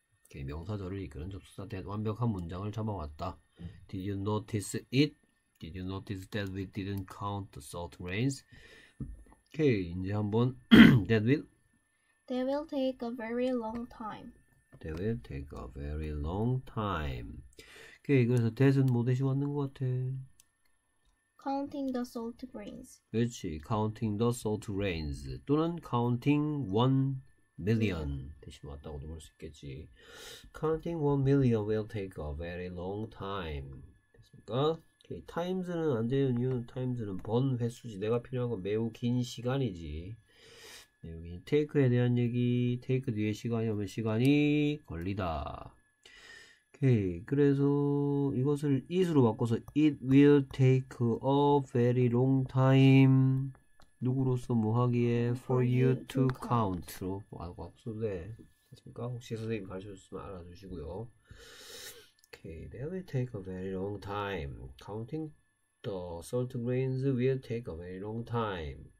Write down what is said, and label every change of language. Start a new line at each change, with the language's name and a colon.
Korean: 이렇게 명사절을 이끄는 접속사 that 완벽한 문장을 잡아왔다.
English: Did you notice it? Did you notice that we didn't count the salt grains?
Korean: 오케이, 이제 한번
English: that will They will take a very long time. They will take a very long time.
Korean: 그래서 that은 뭐 대신 왔는 것 같아?
English: Counting the salt grains.
Korean: 그렇지.
English: Counting the salt grains
Korean: 또는 counting 1 million 대신 왔다고도 볼 수 있겠지.
English: Counting 1 million will take a very long time.
Korean: 됐습니까?
English: Okay.
Korean: Times는 안 되는 이유는 times는 번 횟수지. 내가 필요한 건 매우 긴 시간이지. 여기 take에 대한 얘기. take 뒤에 시간이 오면 시간이 걸리다. Okay. 그래서 이것을 it으로 바꿔서
English: it will take a very long time.
Korean: 누구로서 뭐 하기에
English: for you to count
Korean: 로 바꿔도 돼. 됐습니까? 혹시 선생님 가르쳐줬으면 알아주시고요.
English: Okay. They will take a very long time. Counting the salt grains will take a very long time.